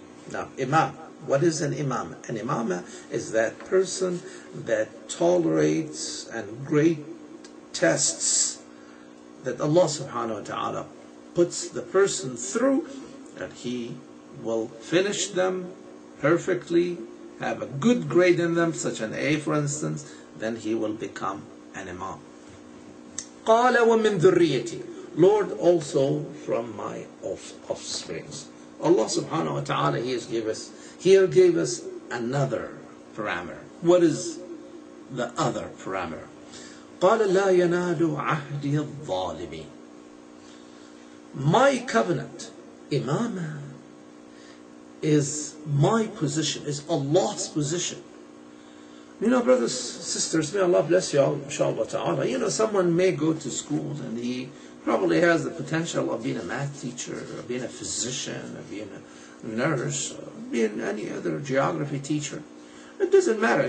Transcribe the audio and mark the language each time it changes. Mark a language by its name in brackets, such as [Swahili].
[English] Now, imam, what is an imam? An imam is that person that tolerates and great tests that Allah subhanahu wa ta'ala puts the person through, and he will finish them perfectly, have a good grade in them, such an A for instance, then he will become an imam. [Arabic] قَالَ وَمِن ذُرِّيَّتِي [English] Lord, also from my offsprings. Allah subhanahu wa ta'ala, he gave us another parameter. What is the other parameter? [Arabic] قَالَ لَا يَنَالُ عَهْدِي الظَّالِمِينَ [English] My covenant Imama is my position, is Allah's position. You know, brothers, sisters, may Allah bless you all, inshallah ta'ala. You know, someone may go to school and he probably has the potential of being a math teacher, or being a physician, or being a nurse, or being any other geography teacher. It doesn't matter.